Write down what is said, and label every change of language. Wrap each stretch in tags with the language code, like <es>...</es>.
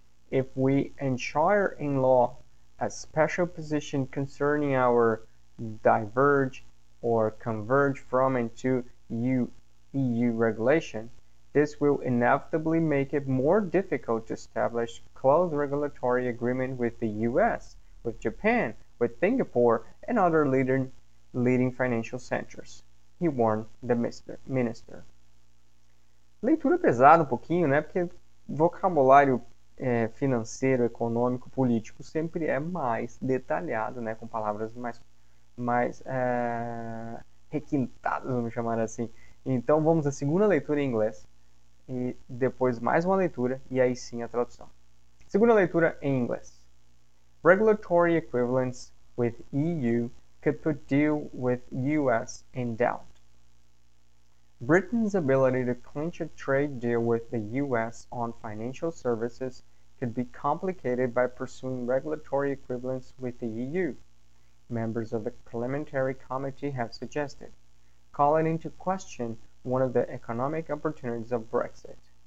<en>If we ensure in law a special position concerning our diverge or converge from into EU regulation, this will inevitably make it more difficult to establish close regulatory agreement with the US, with Japan, with Singapore, and other leading financial centers, he warned the minister.</en> <pt>Leitura pesada um pouquinho, né? Porque vocabulário financeiro, econômico, político sempre é mais detalhado, né? Com palavras mais requintadas, vamos chamar assim. Então vamos à segunda leitura em inglês e depois mais uma leitura e aí sim a tradução. Segunda leitura em inglês.</pt> <en>Regulatory equivalence with EU could put deal with US in doubt. Britain's ability to clinch a trade deal with the US on financial services could be complicated by pursuing regulatory equivalence with the EU, members of the parliamentary committee have suggested, calling into question one of the economic opportunities of Brexit.</en>